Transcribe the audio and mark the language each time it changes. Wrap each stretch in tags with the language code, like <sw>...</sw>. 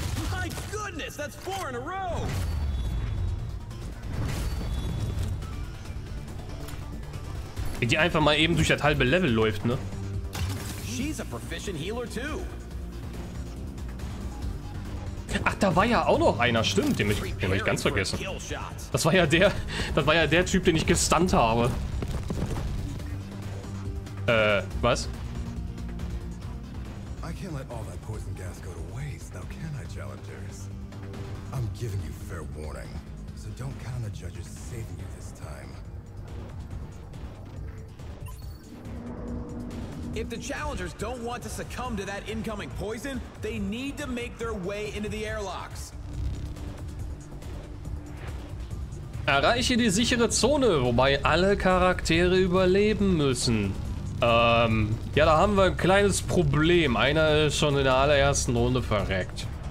<en>My goodness, that's four in a row.</en> <de>Wie die einfach mal eben durch das halbe Level läuft, ne?</de> <en>A proficient healer too.</en> <de>Ach, da war ja auch noch einer, stimmt, den hab ich ganz vergessen. Das war ja der Typ, den ich gestunt habe. Was?</de> <en>I can't let all that poison gas go to waste, now can I, challengers? I'm giving you fair warning, so don't count the judges saving you this time. If the challengers don't want to succumb to that incoming poison, they need to make their way into the airlocks.</en> <de>Erreiche die sichere Zone, wobei alle Charaktere überleben müssen. Ja, da haben wir ein kleines Problem. Einer ist schon in der allerersten Runde verreckt.</de>